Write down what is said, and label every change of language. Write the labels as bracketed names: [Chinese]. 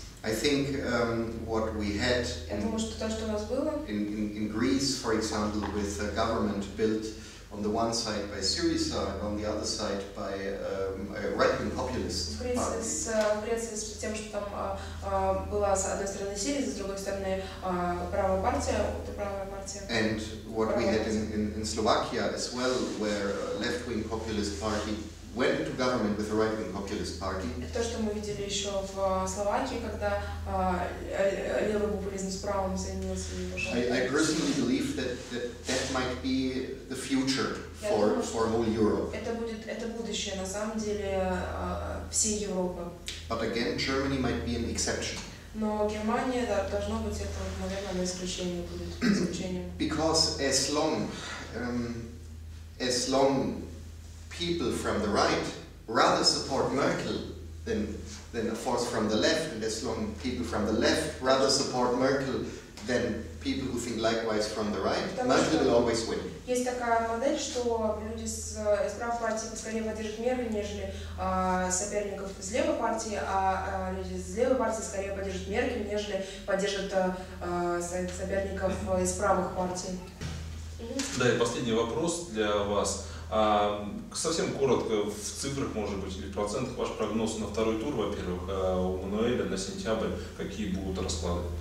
[English] I think what we had in Greece, for example, with a government built on the one side by Syriza and on the other side by a right-wing populist party. [Russian] В Греции с тем, что там была с одной стороны Сириза, с другой стороны правая партия, это правая партия. [English] And what we had in Slovakia as well, where a left-wing populist party went into government with a right-wing populist party. [Russian] То, что мы видели еще в Словакии, когда левый популизм с правым соединился. [English] I personally believe that might be the future for whole Europe. [Russian] Это будущее на самом деле всей Европы. [English] But again, Germany might be an exception. [Russian] Но Германия, да, должно быть, это, наверное, исключение будет. [English] Because as long people from the right rather support Merkel than a force from the left, and as long people from the left rather support Merkel than people who think likewise from the right, Merkel will always win. [Russian] Есть такая модель, что люди из правой партии скорее поддержат Меркель, нежели соперников из левой партии, а люди из левой партии скорее поддержат Меркель, нежели поддержат соперников из правых партий. Да, и последний вопрос для вас. Совсем коротко, в цифрах, может быть, или в процентах, ваш прогноз на второй тур, во-первых, у Мануэля на сентябрь, какие будут расклады?